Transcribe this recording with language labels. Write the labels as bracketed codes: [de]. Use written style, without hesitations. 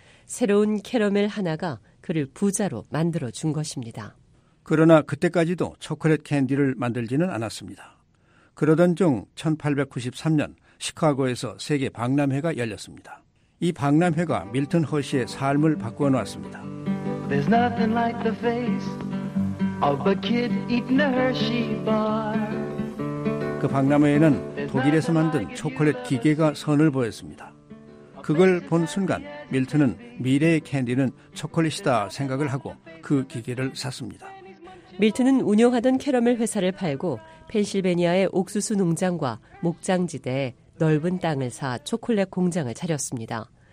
[ko] 새로운 캐러멜 하나가 그를 부자로 만들어준 것입니다. 그러나 그때까지도 초콜릿 캔디를 만들지는 않았습니다. 그러던 중 1893년 시카고에서 세계 박람회가 열렸습니다. 이 박람회가 밀튼 허시의 삶을 바꾸어 놓았습니다. [en] There's nothing like the face of a kid eating a Hershey bar. [ko] 그 박람회에는 독일에서 만든 초콜릿 기계가 선을 보였습니다. 그걸 본 순간 밀튼은 미래의 캔디는 초콜릿이다 생각을 하고 그 기계를 샀습니다. 밀튼은 운영하던 캐러멜 회사를 팔고 펜실베니아의 옥수수 농장과 목장지대에 넓은 땅을 사 초콜릿 공장을 차렸습니다.